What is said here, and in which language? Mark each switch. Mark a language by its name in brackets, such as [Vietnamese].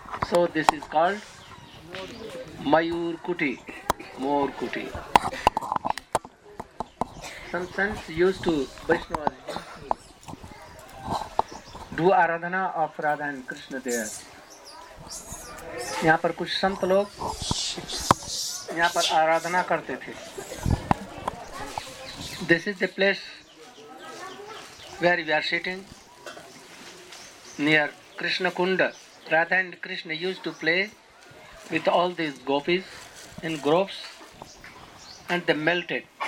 [English] So this is called Mayur Kuti, Mor Kuti. Some saints used to, Vaishnavas, do aradhana of Radha and Krishna there. [Hindi] यहाँ पर कुछ संत लोग यहाँ पर आराधना करते थे. [English] This is the place where we are sitting near Krishna Kunda. Radha and Krishna used to play with all these gopis in groves, and they melted.